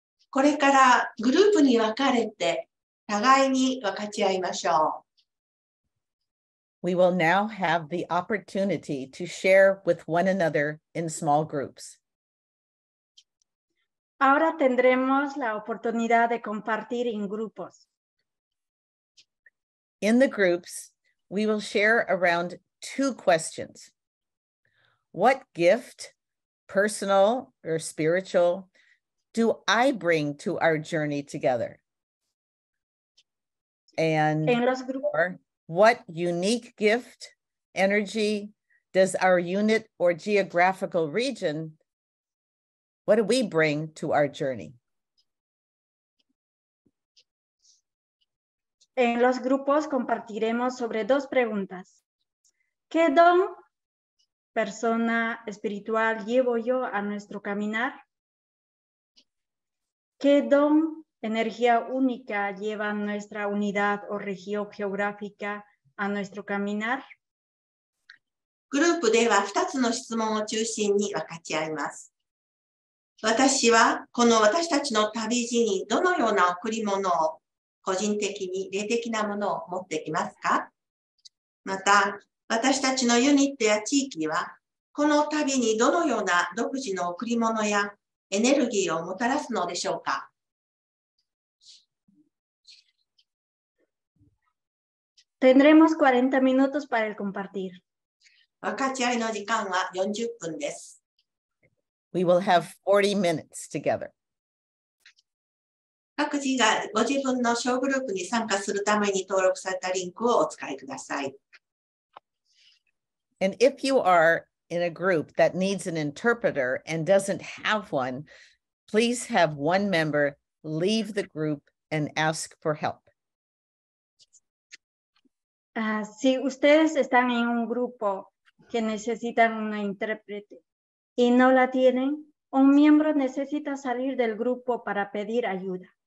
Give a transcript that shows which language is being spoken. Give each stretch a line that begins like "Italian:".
Japanese: これからグループに分かれて互いに分かち合いましょう。
English: We will now have the opportunity to share with one another in small groups.
Spanish: Ahora tendremos la oportunidad de compartir en grupos.
English: In the groups, we will share around two questions. What gift, personal or spiritual, do I bring to our journey together? And what unique gift, energy, does our unit or geographical region, what do we bring to our journey?
Spanish: En los grupos compartiremos sobre dos preguntas. ¿Qué don, persona espiritual, llevo yo a nuestro caminar? ¿Qué don, energía única, lleva nuestra unidad o región geográfica a nuestro caminar?
Japanese: グループでは2つの質問を中心に分かち合います。私はこの私たちの旅路にどのような贈り物を、個人的に霊的なものを持ってきますか？また、私たちのユニットや地域は、この旅にどのような独自の贈り物やエネルギーをもたらすのでしょうか？
Spanish: Tendremos 40 minutos para el compartir.
Japanese: 分かち合いの時間は40分です。
English: We will have 40 minutes together.
Japanese: 各自がご自分の小グループに参加するために登録されたリンクをお使いください。
English: And if you are in a group that needs an interpreter and doesn't have one, please have one member leave the group and ask for help.
Spanish: Si ustedes están en un grupo que necesitan un intérprete y no la tienen, un miembro necesita salir del grupo para pedir ayuda.